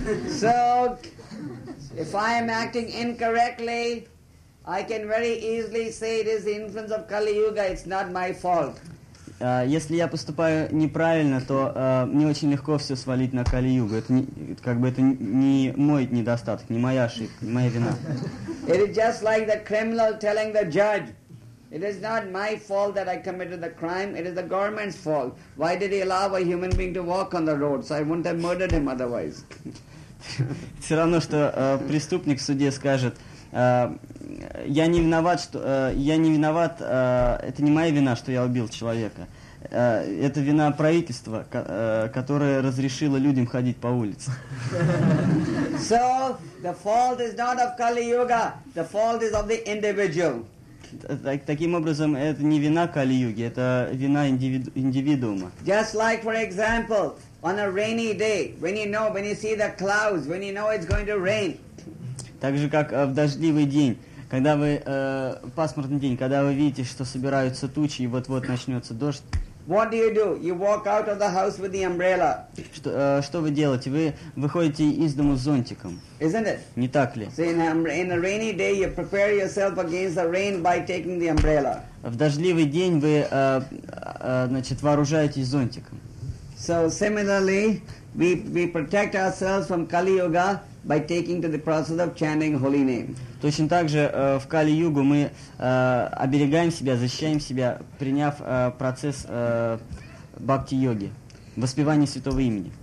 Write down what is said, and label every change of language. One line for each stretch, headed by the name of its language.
English: So, if I am acting incorrectly, I can very easily say it is the influence of Kali Yuga, it's not my fault.
Russian: Если я поступаю неправильно, то мне очень легко все свалить на Кали-Югу. Это не, как бы это не мой недостаток, не моя ошибка, не моя вина.
English: It is just like the criminal telling the judge, it is not my fault that I committed the crime, it is the government's fault. Why did he allow a human being to walk on the road? So I wouldn't have murdered him otherwise.
Russian: Все равно, что преступник в суде скажет, я не виноват, что я не виноват, это не моя вина, что я убил человека. Это вина правительства, которое разрешило людям ходить по улице.
English: So, the fault is not of Kali Yuga, the fault is of the individual.
Russian: Таким образом, это не вина Кали Юги, это вина индивидуума.
English: Just like, for example, on a rainy day, when you know, when you see the clouds, when you know it's going to rain.
Russian: Так же, как в дождливый день, когда вы, пасмурный день, когда вы видите, что собираются тучи, и вот-вот начнется дождь.
English: What do? You walk out of the house with the umbrella.
Russian: Что вы делаете? Вы выходите из дома с зонтиком.
English: Isn't it?
Russian: Не так ли?
English: See, in a rainy day, you prepare yourself against the rain by taking the umbrella.
Russian: В дождливый день вы, значит, вооружаетесь зонтиком.
English: So similarly, we protect ourselves from Kali Yuga by taking to the process of chanting holy name.
Russian: Точно так же в Кали-Югу мы оберегаем себя, защищаем себя, приняв процесс бхакти-йоги, воспевания святого имени.